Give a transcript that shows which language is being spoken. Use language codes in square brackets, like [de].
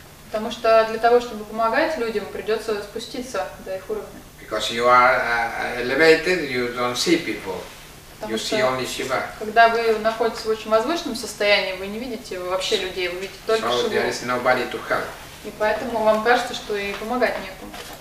[ru] Потому что для того, чтобы помогать людям, придется спуститься до их уровня. [en] Because you are elevated, you don't see people. [ru] потому что когда вы находитесь в очень возвышенном состоянии, вы не видите вообще людей, вы видите только Шиву. И поэтому вам кажется, что и помогать некому.